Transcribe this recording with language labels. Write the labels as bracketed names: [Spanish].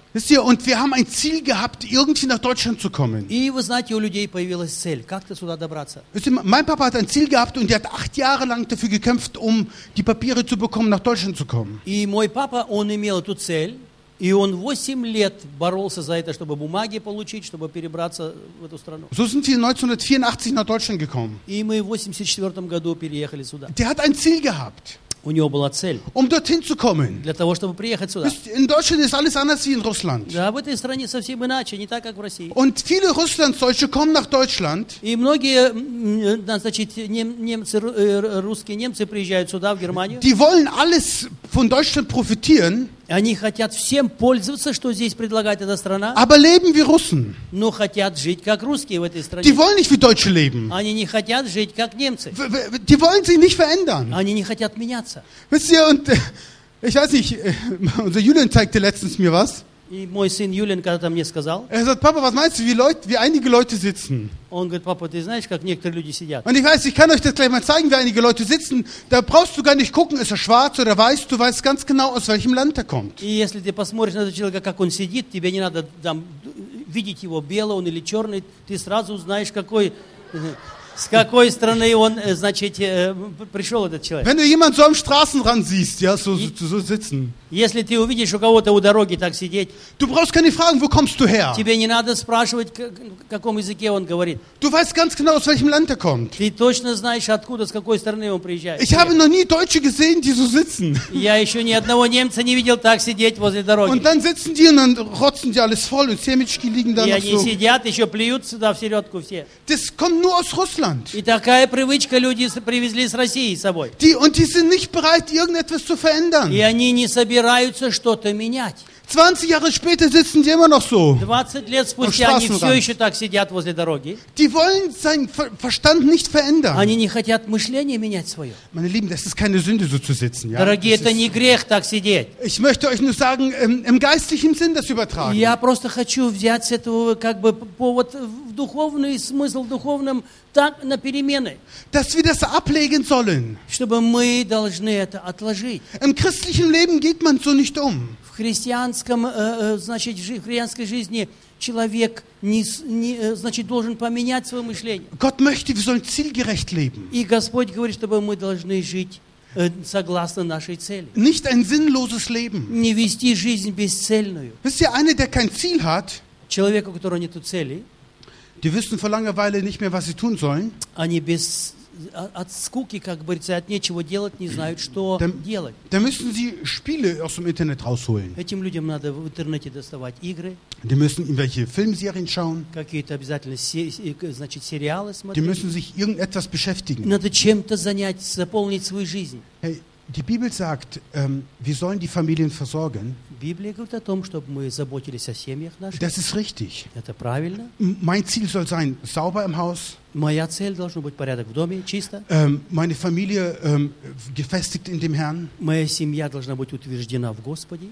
[German] Wisst ihr, und wir haben ein Ziel gehabt, irgendwie nach Deutschland zu kommen. [Russian] И вы знаете, у людей появилась цель, как-то сюда добраться. [German] Wisst ihr, mein Papa hat ein Ziel gehabt und er hat 8 Jahre lang dafür gekämpft, um die Papiere zu bekommen, nach Deutschland zu kommen. [Russian] И мой папа, он имел эту цель. И он 8 лет боролся за это, чтобы бумаги получить, чтобы перебраться в эту страну. [German] So sind wir 1984 nach Deutschland gekommen. [Russian] И мы в 84 году переехали сюда. [German] Der hat ein Ziel gehabt. [Russian] У него была цель. [German] Um dorthin zu kommen. [Russian] Для того, чтобы приехать сюда. [German] In Deutschland ist alles anders wie in Russland. [Russian] Да, в этой стране совсем иначе, не так, как в России. [German] Und viele Russlanddeutsche kommen nach Deutschland. [Russian] И многие, значит, немцы, русские немцы приезжают сюда, в Германию. [German] Die wollen alles von Deutschland profitieren. [Russian] Они хотят всем пользоваться, что здесь предлагает эта страна. [German] Aber leben wie Russen. [Russian] Но хотят жить как русские в этой стране. [German] Die wollen nicht wie Deutsche leben. [Russian] Они не хотят жить как немцы. [German] Die wollen sich nicht verändern. [Russian] Они не хотят меняться. [German] Wisst ihr, und ich weiß nicht, unser Julian zeigte letztens mir was. [Russian] И мой сын Юлин когда-то мне сказал. [German] Er sagt, Papa, was meinst du, wie einige Leute sitzen? [Russian] Он говорит, папа, ты знаешь, как некоторые люди сидят. [German] Und ich weiß, ich kann euch das gleich mal zeigen, wie einige Leute sitzen. Da brauchst du gar nicht gucken, ist er schwarz oder weiß, du weißt ganz genau, aus welchem Land er kommt. [Russian] И если ты посмотришь на этого человека, как он сидит, тебе не надо там видеть его, белый он или черный, ты сразу знаешь, какой... С какой стороны он, значит, пришел этот человек? [German] Wenn du jemand so am Straßenrand siehst, ja, so sitzen. [Russian] Если ты увидишь у кого-то у дороги так сидеть. [German] Du brauchst keine Fragen, wo kommst du her? [Russian] Тебе не надо спрашивать, в каком языке он говорит. [German] Du weißt ganz genau, aus welchem Land er kommt. [Russian] Ты точно знаешь, откуда, с какой стороны он приезжает. [German] Ich habe noch nie Deutsche gesehen, die so sitzen. [Russian] Я еще ни одного немца не видел так сидеть возле дороги. [German] Und dann sitzen die und dann rotzen die alles voll und Semitschki liegen da noch so. [Russian] И они сидят, еще плюют сюда в середку все. [German] Das kommt nur aus Russland. [Russian] И такая привычка люди привезли с России с собой. [German] Die sind nicht bereit, irgendetwas zu verändern. [Russian] И они не собираются что-то менять. [German] 20 Jahre später sitzen die immer noch so. [Russian] 20 лет спустя они все еще так сидят возле дороги. [German] Die wollen seinen Verstand nicht verändern. [Russian] Они не хотят мышление менять свое. [German] Meine Lieben, das ist keine Sünde, so zu sitzen. Ja? [Russian] Дорогие, это не грех так сидеть. [German] Ich möchte euch nur sagen, im geistlichen Sinn das übertragen. [Russian] Я просто хочу взять с этого как бы повод в духовный смысл, в духовном так на перемены. [German] Dass wir das ablegen sollen. [Russian] Чтобы мы должны это отложить. [German] Im christlichen Leben geht man so nicht um. [Russian] В христианском, значит, в христианской жизни человек не, значит, должен поменять свое мышление. [German] Gott möchte, wir sollen zielgerecht leben. [Russian] И Господь говорит, чтобы мы должны жить согласно нашей цели. [German] Nicht ein sinnloses Leben. [Russian] Не вести жизнь бесцельную. [German] Wisst ihr, einer, der kein Ziel hat, [Russian] человек, у которого нету цели, [German] die wissen vor Langeweile nicht mehr, was sie tun sollen, [Russian] они без от скуки, как говорится, от нечего делать, не знают, что делать. [German] Da müssen sie Spiele aus dem Internet rausholen. [Russian] Этим людям надо в интернете доставать игры. [German] Die müssen irgendwelche Filmserien schauen. [Russian] Какие-то обязательно, значит, сериалы смотреть. [German] Die müssen sich irgendetwas beschäftigen. [Russian] Надо чем-то занять, заполнить свою жизнь. [German] Hey, die Bibel sagt, wir sollen die Familien versorgen. [Russian] Библия говорит о том, чтобы мы заботились о семьях наших. [German] Das ist richtig. [Russian] Это правильно. [German] Mein Ziel soll sein, sauber im Haus. [Russian] Моя цель должна быть порядок в доме, чисто. [German] Meine Familie gefestigt in dem Herrn. [Russian] Моя семья должна быть утверждена в Господе.